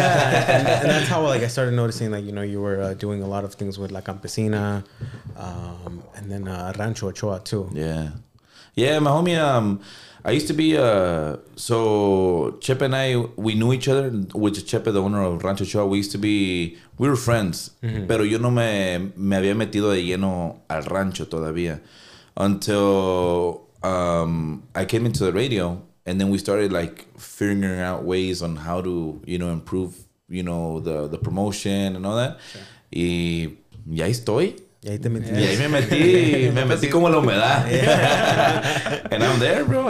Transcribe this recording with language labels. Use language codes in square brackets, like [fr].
[en] And that's how, like, I started noticing that, like, you know, you were doing a lot of things with La Campesina and then Rancho Ochoa, too. Yeah. Yeah, my homie, I used to be, so Chepe and I, we knew each other, which is Chepe, the owner of Rancho Ochoa. We used to be, we were friends, [es] pero yo no me había metido de lleno al rancho todavía. [en] Until I came into the radio, and then we started like figuring out ways on how to, you know, improve, you know, the promotion and all that. [es] Sure. Y ahí estoy. Y ahí te metí. Y ahí me metí como la humedad. [en] Yeah. And I'm there, bro.